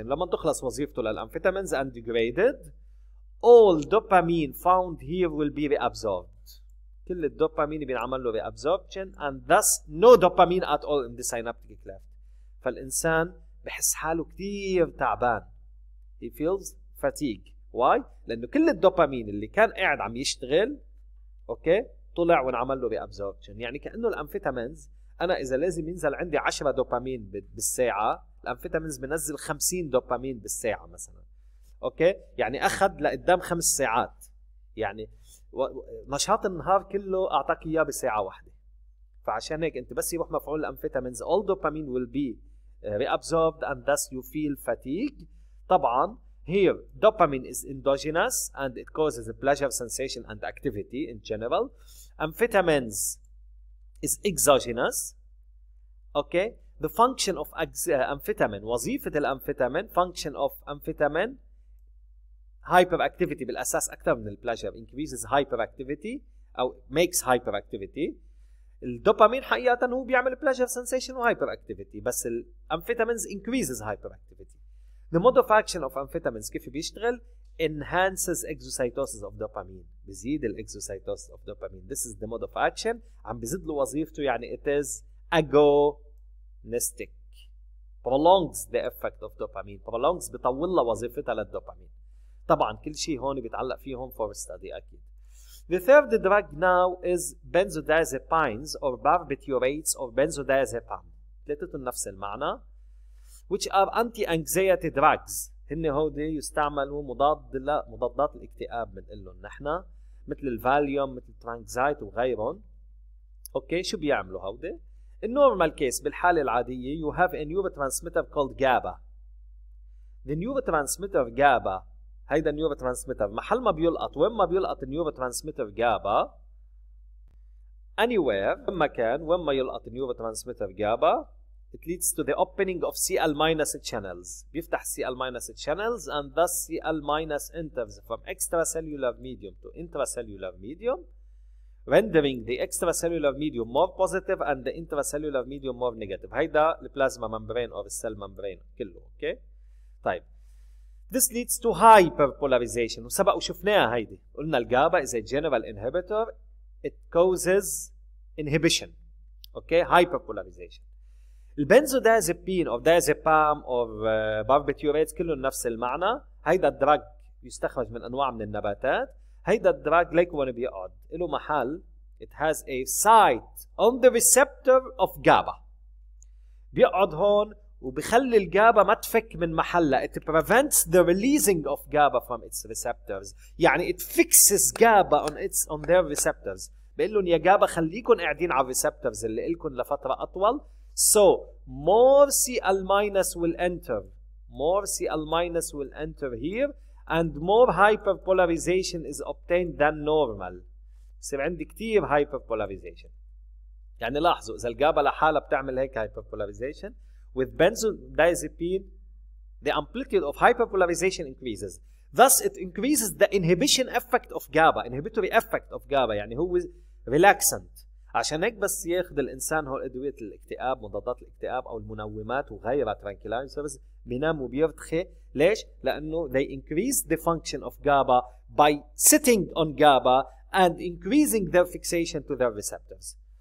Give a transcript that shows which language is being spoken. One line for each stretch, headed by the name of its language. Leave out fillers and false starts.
Arabic: لما تخلص وظيفته للامفيتامينز
English: and degraded, all dopamine found here will be reabsorbed.
Arabic: كل الدوبامين بينعمل له
English: reabsorption and thus no dopamine at all in the synaptic cleft.
Arabic: فالإنسان بحس حاله كتير تعبان
English: he feels fatigue. Why?
Arabic: لأنه كل الدوبامين اللي كان قاعد عم يشتغل أوكي طلع ونعمل له بأبزوربشن. يعني كأنه الأمفيتامينز أنا إذا لازم ينزل عندي 10 دوبامين بالساعة، الأمفيتامينز بنزل 50 دوبامين بالساعة مثلا. أوكي يعني أخذ لقدام 5 ساعات، يعني نشاط النهار كله أعطاك إياه بساعة واحدة. فعشان هيك أنت بس يروح مفعول الأمفيتامينز
English: all dopamine will be reabsorbed and thus you feel fatigue. طبعا here dopamine is endogenous and it causes a pleasure sensation and activity in general. Amphetamines is exogenous. Okay, the function of amphetamine,
Arabic: وظيفة الأمفيتامين,
English: function of amphetamine, hyperactivity
Arabic: بالأساس أكثر من
English: pleasure, increases hyperactivity أو makes hyperactivity.
Arabic: الدوبامين حقيقة هو بيعمل
English: pleasure sensation
Arabic: و hyperactivity، بس الامفيتامينز
English: increases hyperactivity. The mode of action of amphetamines
Arabic: كيف بيشتغل؟
English: enhances exocytosis of dopamine، بزيد الexocytosis of dopamine. This is the mode of action،
Arabic: عم بزيد له وظيفته، يعني
English: it is agonistic، prolongs the effect of dopamine، prolongs
Arabic: بطول له وظيفته للدوبامين. طبعا كل شيء هون بيتعلق فيه هون
English: for study
Arabic: أكيد.
English: The third drug now is benzodiazepines or barbiturates or benzodiazepam.
Arabic: ثلاثتهم نفس المعنى.
English: Which are anti-anxiety drugs.
Arabic: هن هودي يستعملوا مضاد مضادات الاكتئاب بنقلهم نحن. مثل الفاليوم، مثل ترانكزايت وغيرهم. اوكي شو بيعملوا هودي؟
English: In normal case
Arabic: بالحالة العادية
English: you have a neurotransmitter called GABA. The neurotransmitter GABA
Arabic: هيدا النيورو ترانسميتر محل ما بيلقط، وين ما
English: بيلقط النيورو ترانسميتر جابا anywhere
Arabic: وين ما كان، وين ما يلقط النيورو ترانسميتر جابا
English: it leads to the opening of CL minus channels،
Arabic: بيفتح
English: CL minus channels and thus CL minus enters from extracellular medium to intracellular medium rendering the extracellular medium more positive and the intracellular medium more negative.
Arabic: هيدا البلازما ممبرين أو السيل ممبرين كله.
English: Okay طيب this leads to hyperpolarization.
Arabic: وسبق وشفناها هيدي، قلنا الجابا
English: is a general inhibitor it causes inhibition. Okay hyperpolarization.
Arabic: البنزودازيبين او دازيبام او باربيتوريت كله نفس المعنى. هيدا الدراج يستخرج من انواع من النباتات. هيدا الدراج ليك وين بيقعد له محل،
English: it has a site on the receptor of GABA،
Arabic: بيقعد هون وبيخلي الجابا ما تفك من محلها.
English: It prevents the releasing of GABA from its receptors. يعني it fixes GABA on its on their receptors.
Arabic: بيقولون يا جابا خليكن قاعدين على receptors اللي إلكن لفترة أطول.
English: So more CL minus will enter. More CL minus will enter here and more hyperpolarization is obtained than normal.
Arabic: بصير عندي كتير
English: hyperpolarization.
Arabic: يعني لاحظوا إذا الجابا لحالة بتعمل هيك hyperpolarization.
English: With benzodiazepine, the amplitude of hyperpolarization increases. Thus, it increases the inhibition effect of GABA, inhibitory effect of GABA.
Arabic: يعني هو
English: relaxant.
Arabic: عشان هيك بس ياخد الإنسان هو أدوية الاكتئاب، مضادات الاكتئاب أو المنومات وغيرها tranquilizers بينام وبيرتخي. ليش؟ لأنه
English: they increase the function of GABA by sitting on GABA and increasing their fixation to their receptors.